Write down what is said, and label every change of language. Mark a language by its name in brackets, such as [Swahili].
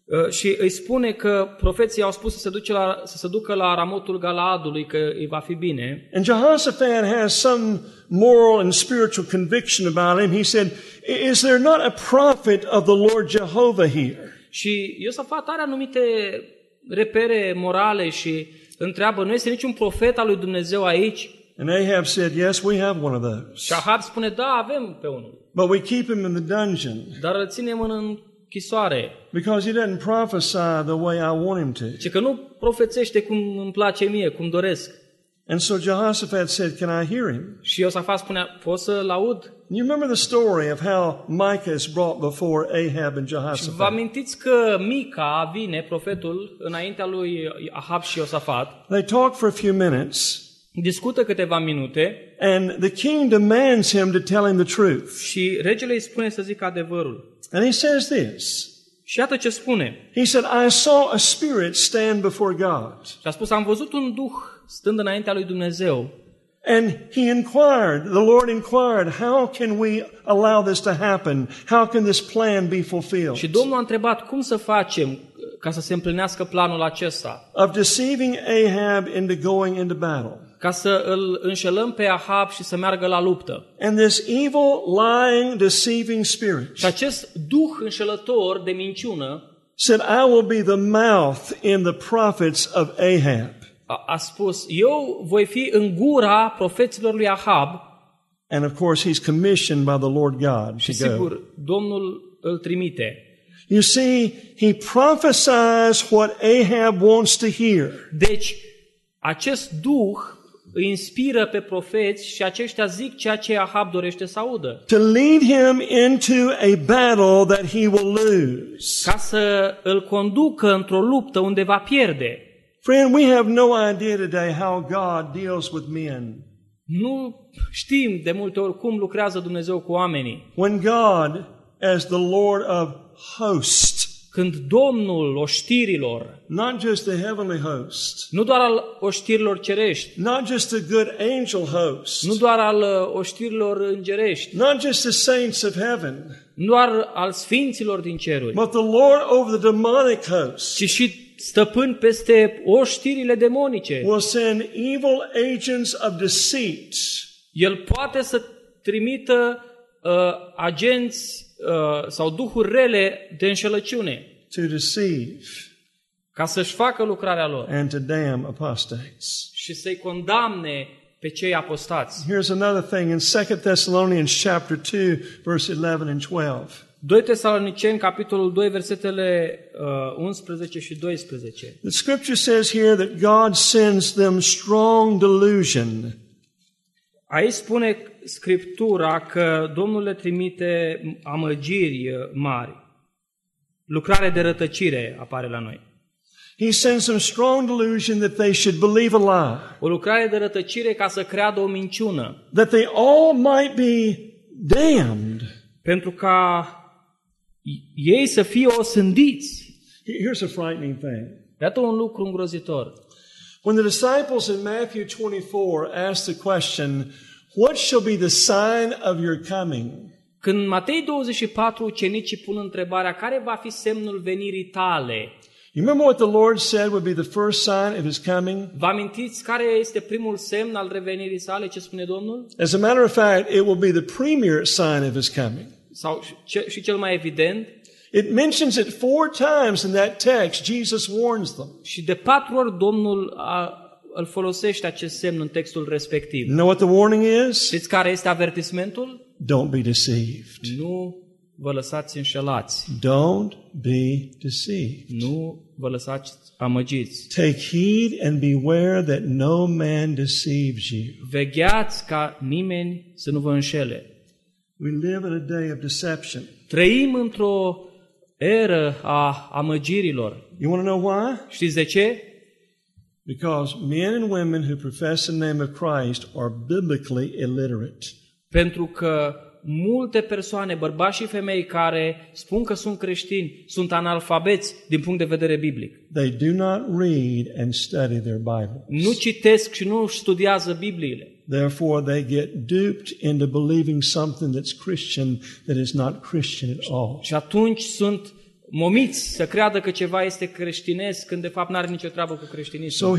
[Romanian] Și îi spune că profeții au spus să se ducă la Ramotul Galaadului că îi va fi bine. [English] And Jehoshaphat has some moral and spiritual conviction about him. He said, "Is there not a prophet of the Lord Jehovah here?" [Romanian] Și Iosafat are anumite repere morale și întreabă, nu este niciun profet al lui Dumnezeu aici? [English] And Ahab said, "Yes, we have one of those." [Romanian] Și Ahab spune, da, avem pe unul. [English] But we keep him in the dungeon. [Romanian] Dar îl ținem în chisoare. [English] Because he didn't prophesy the way I want him to. [Romanian] Că nu profețește cum îmi place mie, cum doresc. [English] And so Jehoshaphat said, "Can I hear him?" [Romanian] Și Iosafat spunea, pot să-l aud? [English] You remember the story of how Micah is brought before Ahab and Jehoshaphat? [Romanian] Vă amintiți că Mica vine, profetul, înaintea lui Ahab și Iosafat? [English] They talk for a few minutes. [Romanian] Discută câteva minute. [English] And the king demands him to tell him the truth. [Romanian] Și regele îi spune să zică adevărul. [English] And he says this. [Romanian] Și iată ce spune. [English] He said, I saw a spirit stand before God. [Romanian] Și a spus, am văzut un duh stând înaintea lui Dumnezeu. [English] And he inquired, the Lord inquired, how can we allow this to happen? How can this plan be fulfilled? [Romanian] Și Domnul a întrebat, cum să facem ca să se împlinească planul acesta? [English] Of deceiving Ahab into going into battle. [Romanian] Ca să îl înșelăm pe Ahab și să meargă la luptă. [English] And this evil, lying, deceiving spirit. [Romanian] Și acest duh înșelător de minciună. [English] Said, I will be the mouth in the prophets of Ahab. [Romanian] A spus, eu voi fi în gura profeților lui Ahab. [English] And of course he's commissioned by the Lord God. [Romanian] Și sigur, Domnul îl trimite. [English] You see, he prophesies what Ahab wants to hear. [Romanian] Deci acest duh îi inspiră pe profeți și aceștia zic ceea ce Ahab dorește să audă. [English] To lead him into a battle that he will lose. [Romanian] Ca să îl conducă într-o luptă unde va pierde. [English] Friend, we have no idea today how God deals with men. [Romanian] Nu știm de multe ori cum lucrează Dumnezeu cu oamenii. [English] When God as the Lord of hosts. [Romanian] Când Domnul oștirilor. [English] Not just the heavenly host. [Romanian] Nu doar al oștirilor cerești. [English] Not just the good angel host. [Romanian] Nu doar al oștirilor îngerești. [English] Not just the saints of heaven. [Romanian] Nu doar al sfinților din ceruri. [English] But the Lord over the demonic hosts. [Romanian] Ci și stăpân peste oștirile demonice. [English] Evil agents of deceit. [Romanian] El poate să trimită agenți sau duhuri rele de înșelăciune. [English] To deceive. [Romanian] Ca să-și facă lucrarea lor. [English] And to damn apostates. [Romanian] Și să-i condamne pe cei apostați. [English] Here's another thing in 2 Thessalonians chapter 2 verse 11 and 12. [Romanian] 2 Tesaloniceni capitolul 2 versetele 11 și 12. [English] The scripture says here that God sends them strong delusion. [Romanian] Aici spune scriptura că Domnul le trimite amăgiri mari. Lucrare de rătăcire apare la noi. [English] He sends them strong delusion that they should believe a lie. [Romanian] O lucrare de rătăcire ca să creadă o minciună. [English] That they all might be damned. [Romanian] Pentru ca ei să fie osândiți. [English] Here's a frightening thing. [Romanian] Iată un lucru îngrozitor. [English] When the disciples in Matthew 24 asked the question, what shall be the sign of your coming? [Romanian] Când Matei 24 ucenicii pun întrebarea, care va fi semnul venirii tale? [English] You remember what the Lord said would be the first sign of his coming? [Romanian] Vă amintiți care este primul semn al revenirii sale, ce spune Domnul? [English] As a matter of fact, it will be the premier sign of his coming. [Romanian] Sau și cel mai evident. [English] It mentions it four times in that text. Jesus warns them. [Romanian] Și de patru ori Domnul îl folosește acest semn în textul respectiv. [English] Know what the warning is? [Romanian] Știți care este avertismentul? [English] Don't be deceived. [Romanian] Nu vă lăsați înșelați. [English] Don't be deceived. [Romanian] Nu vă lăsați amăgiți. [English] Take heed and beware that no man deceives you. [Romanian] Vegheați ca nimeni să nu vă înșele. [English] We live in a day of deception. [Romanian] Trăim într-o eră a amăgirilor. [English] You want to know why? [Romanian] Știți de ce? [English] Because men and women who profess the name of Christ are biblically illiterate. [Romanian] Pentru că multe persoane, bărbați și femei care spun că sunt creștini, sunt analfabeți din punct de vedere biblic. [English] They do not read and study their Bibles. [Romanian] Nu citesc și nu studiază Bibliile. [English] Therefore they get duped into believing something that's Christian that is not Christian at all. [Romanian] Și atunci sunt momiți să creadă că ceva este creștinesc când de fapt n-are nicio treabă cu creștinismul.